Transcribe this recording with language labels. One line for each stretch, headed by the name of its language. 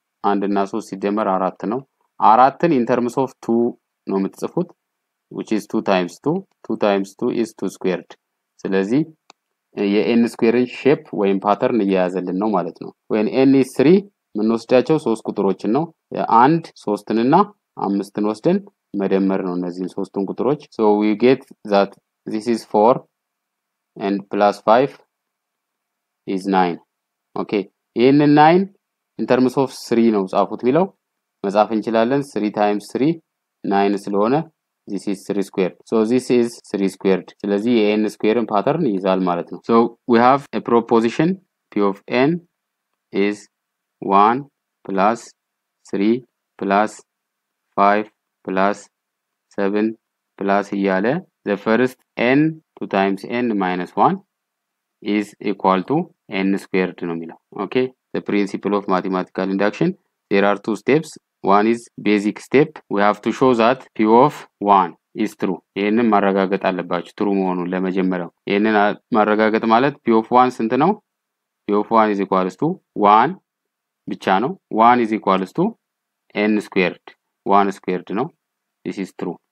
Amharic: 1 እና 3 ሲደመር 4 ነው. 4ን in terms of 2 ነው የምትጽፉት,
English: which is 2 times 2. 2 times 2 is 2 squared.
Amharic: ስለዚህ የn squared shape ወይም pattern እየያዘልን ነው ማለት ነው.
English: when n is 3
Amharic: ምንወስዳቸው 3 ቁጥሮችን ነው. 1 3 ን እና 5 ን ወስደን መደመር ነው እነዚህን 3ቱን ቁጥሮች.
English: so we get that this is 4 and plus 5 is 9.
Amharic: okay, n 9 in terms of 3 ነው ጻፉት ቢለው መጻፍ እንችላለን.
English: 3 times 3 9
Amharic: ስለሆነ
English: this is 3 squared. so this is 3 squared.
Amharic: ስለዚህ n squared pattern ይዛል ማለት ነው.
English: so we have a proposition p of n is 1 plus 3 plus 5 plus 7 plus
Amharic: እያለ
English: the first n 2 times n minus 1 is equal to n squared
Amharic: ነው የሚለው.
English: okay, the principle of mathematical induction, there are two steps. one is basic step, we have to show that p of 1 is true.
Amharic: ይሄንን ማረጋገጥ አለባችሁ true መሆኑን ለመጀመሪያው. ይሄንን ማረጋገጥ ማለት p of 1 ስንት ነው?
English: p of 1 is equal to 1
Amharic: ብቻ ነው.
English: 1 is equal to n squared, 1 squared ነው. this is true.